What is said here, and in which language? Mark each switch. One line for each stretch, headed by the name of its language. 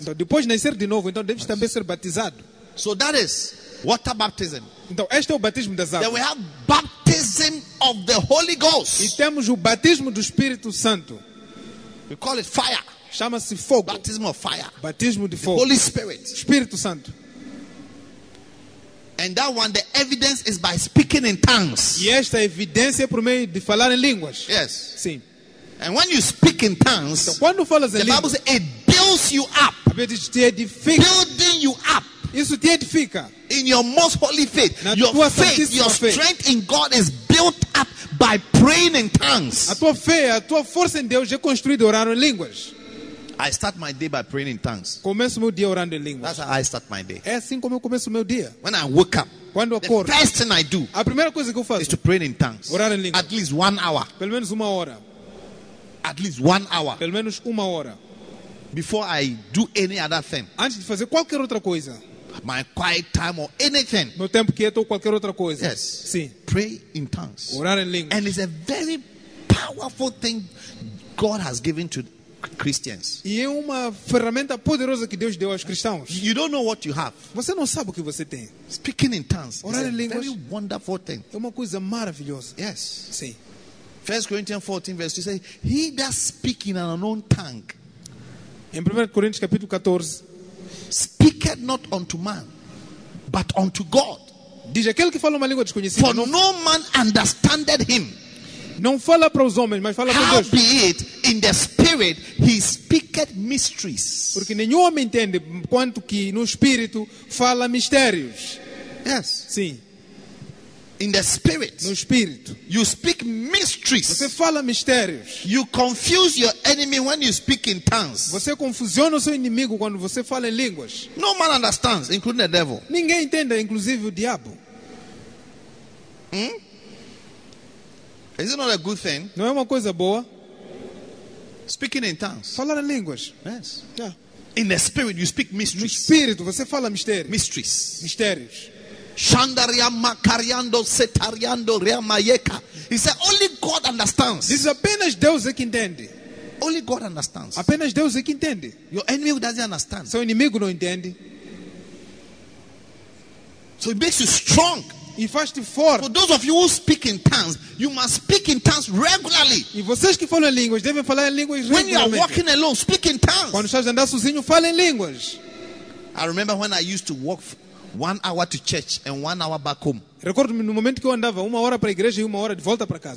Portuguese: Então, depois de nascer de novo, então deves também ser batizado.
English: So that is water baptism.
Portuguese: Então, este é o batismo das águas.
English: Then we have baptism of the Holy Ghost.
Portuguese: E temos o batismo do Espírito Santo.
English: We call it fire.
Portuguese: Chama-se fogo.
English: Baptism of fire.
Portuguese: Batismo de
English: the
Portuguese: fogo.
English: Holy Spirit.
Portuguese: Espírito Santo.
English: And that one, the evidence is by speaking in tongues.
Portuguese: E esta evidência é por meio de falar em línguas.
English: Yes.
Portuguese: Sim.
English: And when you speak in tongues,
Portuguese: então, quando falas em línguas,
English: the Bible says it builds you up.
Portuguese: Te edifica.
English: Building you up.
Portuguese: Isso te edifica.
English: In your most holy faith,
Portuguese: na
English: your
Portuguese: tua
English: faith, your strength in God is built up by praying in tongues.
Portuguese: A tua fé, a tua força em Deus é construída orando em línguas.
English: I start my day by praying in tongues.
Portuguese: Começo meu dia orando em línguas.
English: That's how I start my day.
Portuguese: É assim como eu começo meu dia.
English: When I wake up,
Portuguese: quando acordo,
English: the first thing I do,
Portuguese: a primeira coisa que eu faço,
English: is to pray in tongues.
Portuguese: Orar em línguas.
English: At least 1 hour.
Portuguese: Pelo menos uma hora.
English: At least 1 hour.
Portuguese: Pelo menos uma hora.
English: Before I do any other thing.
Portuguese: Antes de fazer qualquer outra coisa.
English: My quiet time or anything.
Portuguese: Meu tempo quieto ou qualquer outra coisa.
English: Yes.
Portuguese: Sim.
English: Pray in tongues.
Portuguese: Orar em línguas.
English: And it's a very powerful thing God has given to Christians.
Portuguese: E é uma ferramenta poderosa que Deus deu aos cristãos.
English: You don't know what you have.
Portuguese: Você não sabe o que você tem.
English: Speaking in tongues.
Portuguese: Orar em línguas.
English: Very wonderful thing.
Portuguese: É uma coisa maravilhosa.
English: Yes.
Portuguese: Sim.
English: 1 Corinthians 14 verse 2 says, he that speak in an unknown tongue.
Portuguese: Em 1 Coríntios capítulo 14.
English: Speaketh not unto man, but unto God.
Portuguese: Diz aquele que fala uma língua desconhecida.
English: For no man understandeth him.
Portuguese: Não fala para os homens, mas fala para Deus.
English: Howbeit in the spirit he speaketh mysteries.
Portuguese: Porque nenhum homem entende quanto que no espírito fala mistérios.
English: Yes.
Portuguese: Sim.
English: In the spirit,
Portuguese: no espírito,
English: you speak mysteries.
Portuguese: Você fala mistérios.
English: You confuse your enemy when you speak in tongues.
Portuguese: Você confusiona o seu inimigo quando você fala em línguas.
English: No man understands, including the devil.
Portuguese: Ninguém entende, inclusive o diabo.
English: Is it not a good thing?
Portuguese: Não é uma coisa boa?
English: Speaking in tongues.
Portuguese: Falar em línguas.
English: Yes. Yeah. In the spirit, you speak mysteries.
Portuguese: No espírito, você fala mistérios.
English: Mysteries.
Portuguese: Mistérios. Shandaria makariando setariando reamayeka.
English: He said, only God understands. This is
Portuguese: apenas Deus que entende.
English: Only God understands.
Portuguese: Apenas Deus que entende.
English: Your enemy doesn't understand.
Portuguese: Seu inimigo não entende.
English: So it makes you strong.
Portuguese: E faz-te forte.
English: For those of you who speak in tongues, you must speak in tongues regularly.
Portuguese: E vocês que falam em línguas devem falar em línguas regularmente.
English: When you are walking alone, speak in tongues.
Portuguese: Quando estás andando sozinho, fala em línguas.
English: I remember when I used to walk 1 hour to church and 1 hour back home.
Portuguese: Recordo-me no momento que eu andava uma hora para a igreja e uma hora de volta para casa.